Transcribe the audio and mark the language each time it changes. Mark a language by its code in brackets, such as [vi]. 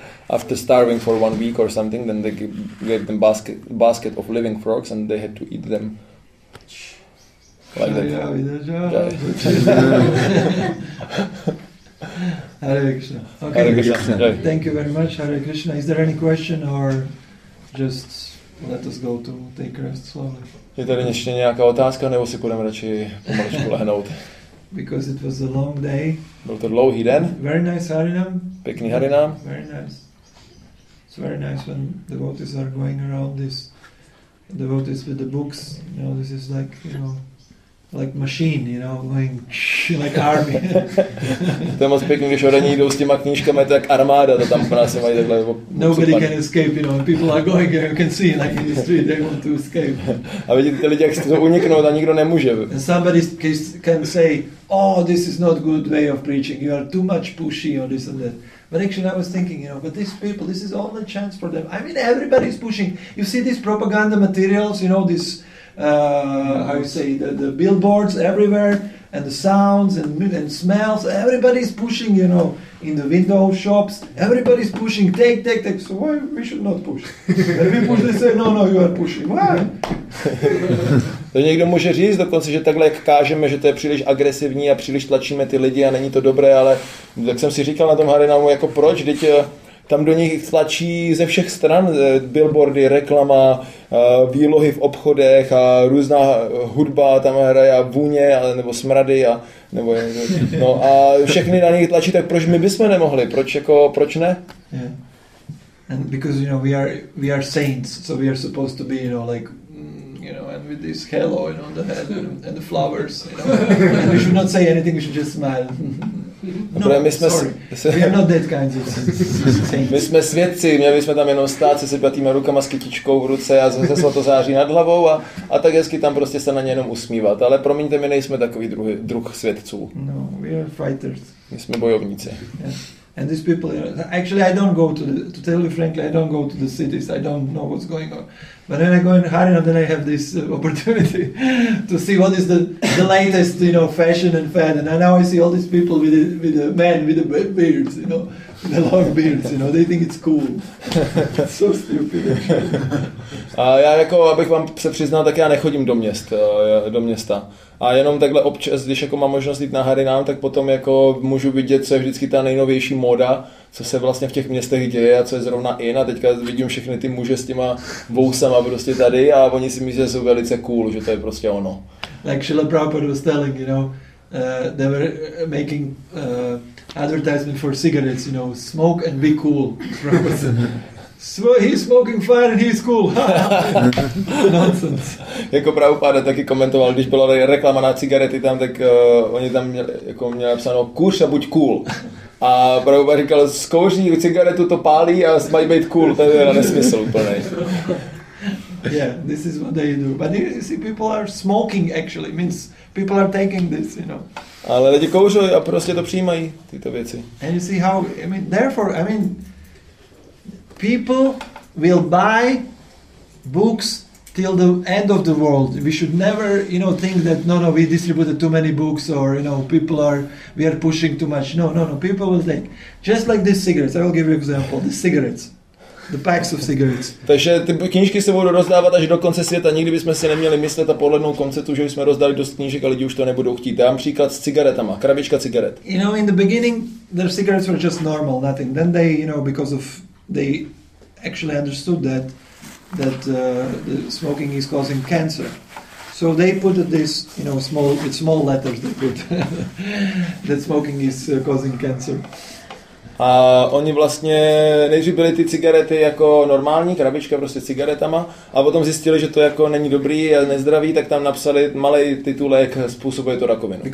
[en] After starving for 1 week or something, then they gave them basket of living frogs and they had to eat them. Like Hare Krishna. Thank you very much, Hare Krishna. Is there any question or just let us go to take rest slowly? [cs] Je tady ještě nějaká otázka, nebo si půjdeme radši pomalečku lehnout? [en] Because it was a long day. [cs] Byl to dlouhý den. [en] Very nice harinam. [cs] Pěkný harinam. [en] Very nice. It's very nice when devotees are going around this. Devotees with the books, you know, this is like, you know, like machine, you know, going like army. [cs] To je moc pěkný, když oni jdou s těma knížkami, to je jak armáda, to tam pro nás mají takhle. [en] Nobody can escape, you know, people are going here, you can see, like in the street, they want to escape. [cs] A vidíte ty lidi, jak se to uniknou, a nikdo nemůže. [en] And somebody can say, oh, this is not good way of preaching, you are too much pushy, or this and that. But actually I was thinking, you know, but these people, this is only a chance for them. I mean, everybody is pushing. You see these propaganda materials, you know, this how you say the billboards everywhere and the sounds and smells, everybody's pushing, you know, in the window shops, everybody's pushing, take, so why we should not push? And we push, they say no, you are pushing. Why? [cs] To někdo může říct dokonce, že takhle jak kážeme, že to je příliš agresivní a příliš tlačíme ty lidi a není to dobré, ale tak jsem si říkal na tom harinamu, jako proč, teď tam do nich tlačí ze všech stran billboardy, reklama, výlohy v obchodech a různá hudba, tam hraje a vůně a, nebo smrady a, nebo, no, a všechny na nich tlačí, tak proč my bychom nemohli, proč ne? [en] Yeah. And because, you know, we are saints, so we are supposed to be, you know, like you know, and with this halo, you know, on the head and the flowers, you know. We should not say anything, we should just smile. No, sorry, we are not that kind of saints. [cs] My jsme svědci, měli jsme tam jenom stát se sepjatýma rukama s kytičkou v ruce a se svatozáří nad hlavou a tak hezky tam prostě se na ně jenom usmívat. Ale promiňte, my nejsme takový druh svědců. [en] No, we are fighters. [cs] My jsme bojovníci. [en] Yeah. And these people, actually I don't go to tell you frankly, I don't go to the cities, I don't know what's going on. But then I go in Harina, then I have this opportunity to see what is the latest, you know, fashion and fad. And now I see all these people with the men with the beards, you know, the long beards, you know, they think it's cool. It's so stupid. [cs] A já jako, abych vám se přiznal, tak já nechodím do města. A jenom takhle občas, když jako mám možnost jít na Harinám, tak potom jako můžu vidět, co je vždycky ta nejnovější moda, co se vlastně v těch městech děje a co je zrovna in. A teďka vidím všechny ty muže s těma bousama prostě tady a oni si myslí, že jsou velice cool, že to je prostě ono. [en] Like Srila Prabhupada was telling, you know, they were making advertisement for cigarettes, you know, smoke and be cool. So he's smoking fire and he's cool. Nonsense. [cs] Jako Prabhupada taky komentoval, když byla reklama na cigarety tam, tak oni tam měli napsáno kuř a buď cool. A Prabhupada říkal, zkouří cigaretu, to pálí a mají být cool. To je nesmysl úplnej. [en] Yeah, this is what they do. But you see, people are smoking actually. It means people are taking this, you know. [cs] Ale lidi kouřují a prostě to přijímají, tyto věci. [en] And you see how, I mean, therefore, I mean, people will buy books till the end of the world. We should never, you know, think that no, we distributed too many books or, you know, we are pushing too much. No, people will think. Just like these cigarettes, I will give you an example, the cigarettes, the packs of cigarettes. [cs] Takže ty knížky se budou rozdávat až do konce světa, nikdy bychom si neměli myslet a pohlednout koncertu, že jsme rozdali dost knížek a lidi už to nebudou chtít. Dám příklad s cigaretama, krabička cigaret. [en] You know, in the beginning, their cigarettes were just normal, nothing. Then they, you know, because of they actually understood that the smoking is causing cancer. So they put this, you know, small letters they put that smoking is causing cancer. [cs] A oni vlastně nejdřív byli ty cigarety jako normální krabička prostě s cigaretama a potom zjistili, že to jako není dobrý a nezdravý, tak tam napsali malý titulek, způsobuje to rakovinu.